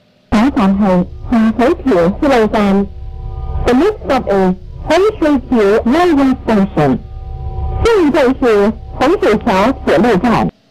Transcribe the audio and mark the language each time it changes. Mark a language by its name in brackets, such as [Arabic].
[Chinese] 下一站是红水铁铁路站。 [English] The next stop is 红水铁 Railway Station. [Chinese] 下一站是红水桥铁路站。